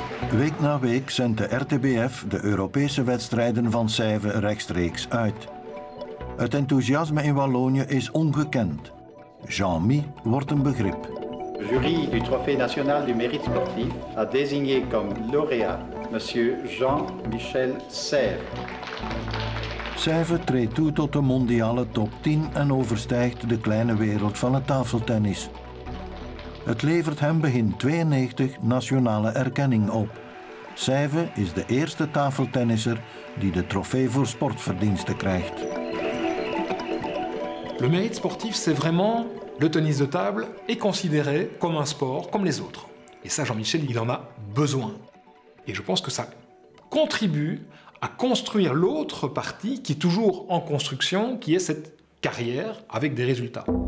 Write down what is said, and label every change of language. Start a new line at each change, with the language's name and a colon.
Dutch: Week na week zendt de RTBF de Europese wedstrijden van Sève rechtstreeks uit. Het enthousiasme in Wallonië is ongekend. Jean-Mi wordt een begrip.
French: De jury du Trophée National du Mérite Sportif a désigné comme lauréat monsieur Jean-Michel Sève.
Dutch: Sève treedt toe tot de mondiale top 10 en overstijgt de kleine wereld van het tafeltennis. Het levert hem begin 92 nationale erkenning op. Seyve is de eerste tafeltennisser die de trofee voor sportverdiensten krijgt.
French: Le mérite sportif, c'est vraiment le tennis de table est considéré comme un sport comme les autres. Et ça, Jean-Michel, il en a besoin. Et je pense que ça contribue à construire l'autre partie qui est toujours en construction, qui est cette carrière avec des résultats.